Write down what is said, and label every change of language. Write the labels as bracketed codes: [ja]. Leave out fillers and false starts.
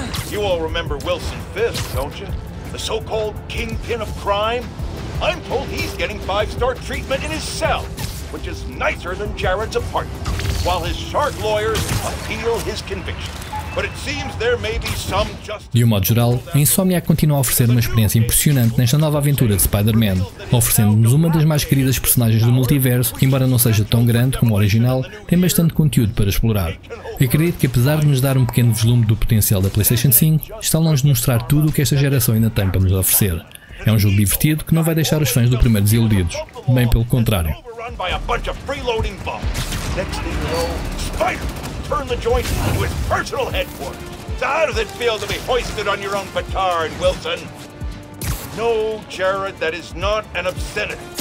[en] You all remember Wilson Fisk, don't you? The so-called kingpin of crime? I'm told he's getting 5-star treatment in his cell, which is nicer than Jared's apartment, while his shark lawyers appeal his conviction. But it seems there may be some justice. [pt] De um modo geral, a Insomniac continua a oferecer uma experiência impressionante nesta nova aventura de Spider-Man, oferecendo-nos uma das mais queridas personagens do multiverso, que embora não seja tão grande como o original, tem bastante conteúdo para explorar. Acredito que apesar de nos dar um pequeno vislumbre do potencial da PlayStation 5, está longe de mostrar tudo o que esta geração ainda tem para nos oferecer. É um jogo divertido que não vai deixar os fãs do primeiro desiludidos, bem pelo contrário. [en] By a bunch of freeloading bums. Next thing you know, Spider turned the joint into his personal headquarters. So how does it feel to be hoisted on your own petard, Wilson? No, Jared, that is not an obscenity.